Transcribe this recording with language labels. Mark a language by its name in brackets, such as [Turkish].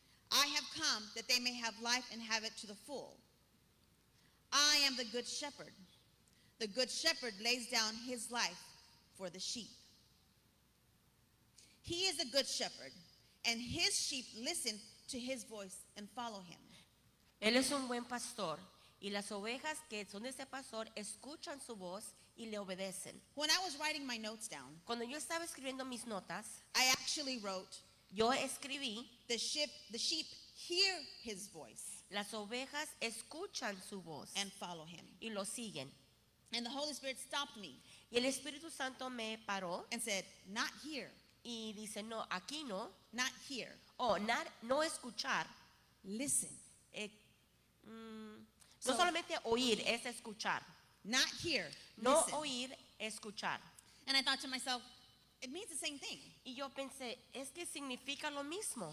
[English] I have come that they may have life and have it to the full. I am the good shepherd. The good shepherd lays down his life for the sheep. He is a good shepherd, and his sheep listen to his voice and follow him. [Spanish] Él es un buen pastor. Y las ovejas que son de ese pastor escuchan su voz y le obedecen. [English] When I was writing my notes down, [Spanish] cuando yo estaba escribiendo mis notas, [English] I actually wrote, [Spanish] yo escribí, [English] the sheep hear his voice. [Spanish] Las ovejas escuchan su voz [English] and follow him. [Spanish] Y lo siguen. [English] And the Holy Spirit stopped me. [Spanish] Y el Espíritu Santo me paró [English] and said, not here. [Spanish] Y dice, no, aquí no. [English] Not here. [Spanish] No escuchar. [English] Listen. [Spanish] No solamente oír, es escuchar. [English] Not hear, [Spanish] no [English] listen. [Spanish] Oír, escuchar. [English] And I thought to myself, it means the same thing. [Spanish] Y yo pensé, es que significa lo mismo.